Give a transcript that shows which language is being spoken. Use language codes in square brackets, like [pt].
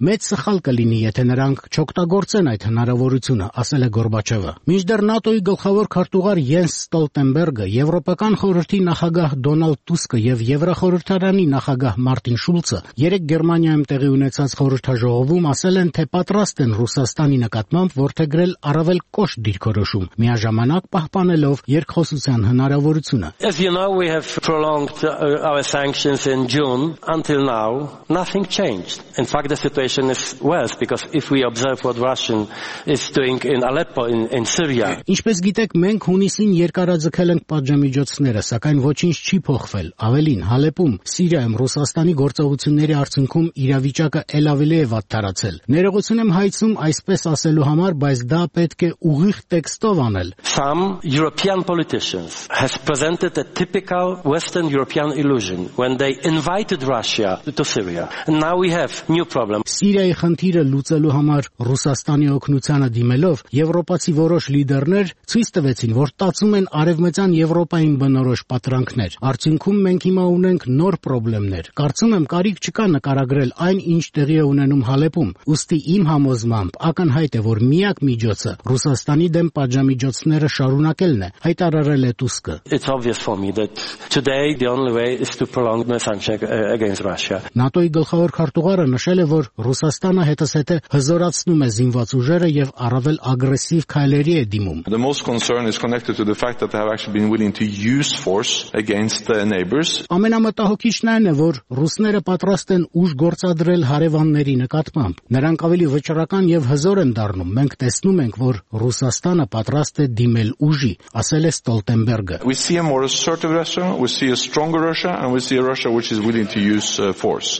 [hy] Մեծ սխալ կլինի, եթե նրանք չօգտագործեն այդ հնարավորությունը, ասել է Գորբաչովը։ Մինչդեռ ՆԱՏՕ-ի գլխավոր քարտուղար Յենս Ստոլտենբերգը, Եվրոպական խորհրդի նախագահ Դոնալդ Տուսկը և Եվրախորհրդարանի նախագահ Մարտին Շուլցը երեկ Գերմանիայում տեղի ունեցած ժողովում ասել են, թե պատրաստ են Ռուսաստանի նկատմամբ որդեգրել առավել կոշտ դիրքորոշում, միաժամանակ պահպանելով երկխոսության հնարավորությունը։ [en] As you know, we have prolonged our sanctions in June. Until now, nothing changed. In fact, the situation is worse because if we observe what Russia is doing in Aleppo in Syria. [hy] Ինչպես գիտեք, մենք հունիսին երկարաձգել ենք պատժամիջոցները, սակայն ոչինչ չի փոխվել։ Ավելին, Հալեպում, Սիրիայում Ռուսաստանի գործողությունների արդյունքում իրավիճակը ելավելի վատարացել։ Ներողություն եմ հայցում այսպես ասելու համար, բայց դա պետք է ուղիղ տեքստով անել։ [en] Some European politicians has presented a typical Western European illusion when they invited Russia to Syria. And now we have new problem. [hy] Սիրիայի խնդիրը լուծելու համար Ռուսաստանի օգնությանը դիմելով եվրոպացի որոշ լիդերներ ցույց տվեցին, որ տածում են արևմտյան Եվրոպային բնորոշ պատրանքներ։ Արդյունքում մենք հիմա ունենք նոր խնդիրներ։ Կարծում եմ, կարիք չկա նկարագրել այն, ինչ տեղի ունենում Հալեպում, ուստ ուստի իմ համոզմամբ ակնհայտ է, որ միակ միջոցը Ռուսաստանի դեմ պատժամիջոցները շարունակելն է, հայտարարել է Տուսկը։ [en] It's obvious for me that today the only way is to prolong the sanctions against Russia. [hy] ՆԱՏՕ-ի գլխավոր քարտուղարը նշել է, որ Ռուսաստանը հետզհետե հզորացնում է զինված ուժերը եւ առավել ագրեսիվ քայլերի է դիմում։ [en] The most concern is connected to the fact that they have actually been willing to use force against the neighbors. [hy] Ամենամտահոգիչն այն է, որ ռուսները պատրաստ են ուժ գործադրել հարևանների նկատմամբ։ Նրանք ավելի վճռական եւ հզոր են դառնում։ Մենք տեսնում ենք, որ Ռուսաստանը պատրաստ է դիմել ուժի, ասել է Ստոլտենբերգը։ [en] We see a more assertive Russia, we see a stronger Russia, and we see a Russia which is willing to use force.